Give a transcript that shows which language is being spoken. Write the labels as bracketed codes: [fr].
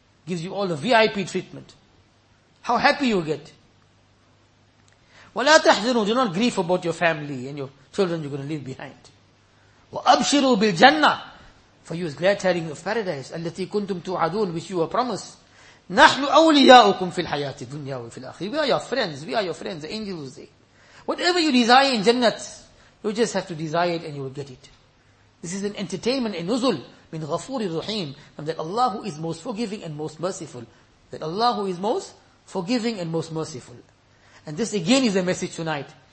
[en] Gives you all the VIP treatment. How happy you get. [ar] وَلَا تَحْزَنُوا. [en] Do not grieve about your family and your children you're going to leave behind. [ar] وَأَبْشِرُوا بِالْجَنَّةِ. [en] For you is glad tidings of paradise. [ar] الَّتِي كُنْتُمْ تُعَدُونَ. [en] Which you were promised. [ar] نَحْنُ أَوْلِيَاؤُكُمْ فِي الْحَيَاةِ الدُّنْيَا وَفِي الْآخِرَةِ. [en] We are your friends. We are your friends. The angels say. Whatever you desire in Jannat, you just have to desire it and you will get it. This is an entertainment, a nuzul, min ghafuri rahim, and that Allah is most forgiving and most merciful. That Allah is most forgiving and most merciful. And this again is a message tonight.